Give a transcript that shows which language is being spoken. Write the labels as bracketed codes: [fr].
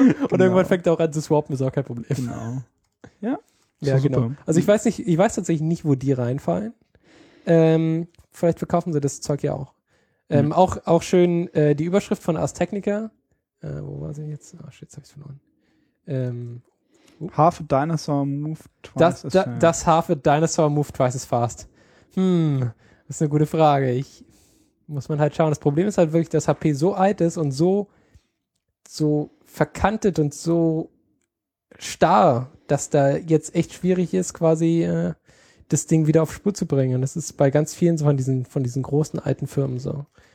[de] Und irgendwann fängt er auch an zu swappen, ist auch kein Problem. Genau, ja. So, ja, genau. Super. Also ich weiß tatsächlich nicht, wo die reinfallen. Vielleicht verkaufen sie das Zeug ja auch. Auch schön die Überschrift von Ars Technica. Wo war sie jetzt? Ah, oh, shit, jetzt hab ich's verloren. [en] Half a dinosaur moved twice as fast. Das half a dinosaur moved twice as fast. [de] Das ist eine gute Frage. Muss man halt schauen. Das Problem ist halt wirklich, dass HP so alt ist und so verkantet und so starr, dass da jetzt echt schwierig ist, quasi das Ding wieder auf Spur zu bringen. Und das ist bei ganz vielen so von diesen großen alten Firmen so.